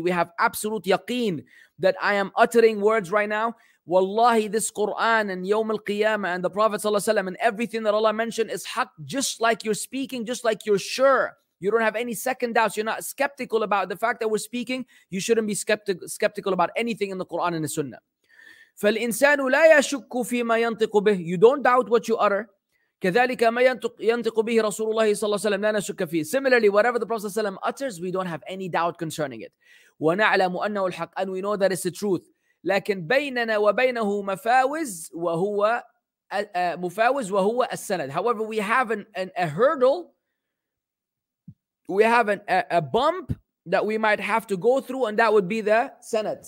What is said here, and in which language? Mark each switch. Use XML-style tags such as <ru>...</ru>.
<en>We have absolute yaqeen that I am uttering words right now. Wallahi, this Quran and Yawm al-Qiyamah and the Prophet sallallahu alayhi wa sallam and everything that Allah mentioned is haq, just like you're speaking, just like you're sure. You don't have any second doubts. You're not skeptical about the fact that we're speaking. You shouldn't be skeptical about anything in the Quran and the Sunnah.</en> <ar>فالإنسان لا يشك فيما ينطق به.</ar> <en>You don't doubt what you utter.</en> <ar>كذلك ما ينطق به رسول الله صلى الله عليه وسلم لا نشك فيه.</ar> <en>Similarly, whatever the Prophet</en> <ar>صلى الله عليه وسلم</ar> <en>utters, we don't have any doubt concerning it.</en> <ar>ونعلم أنه الحق.</ar> <en>And we know that it's the truth.</en> <ar>لكن بيننا وبينه مفاوز وهو مفاوز وهو السند.</ar> <en>However, we have a hurdle. We have a bump that we might have to go through, and that would be the sanad.</en>